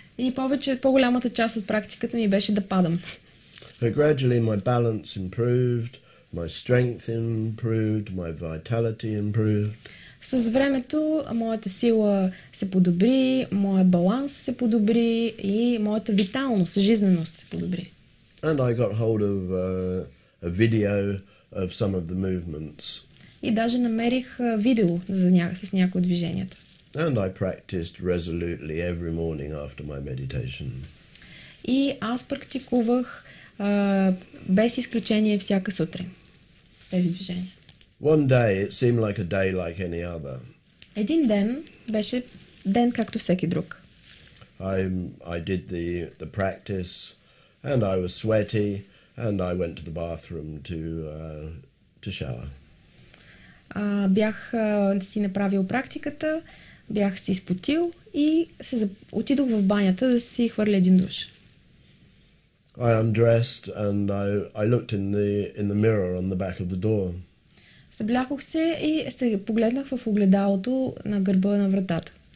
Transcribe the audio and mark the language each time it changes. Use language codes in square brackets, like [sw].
[bg] И повече, по-голямата част от практиката ми беше да падам. [en] But gradually my balance improved, my strength improved, my vitality improved. [bg] С времето моята сила се подобри, моят баланс се подобри и моята виталност, жизненост се подобри. [en] And I got hold of a video of some of the movements. [bg] И даже намерих видео за с някои от движенията. [en] And I practiced resolutely every morning after my meditation. [bg] И аз практикувах без изключение всяка сутрин тези движения. [en] One day it seemed like a day like any other. [bg] Един ден беше ден както всеки друг. [en] I did the practice and I was sweaty and I went to the bathroom to shower. [bg] Бях си направил практиката, бях си изпотил и се отидох в банята да си хвърля един душ. [en] I undressed and I looked in the mirror on the back of the door. [bg] Съблякох се и се погледнах в огледалото на гърба на вратата.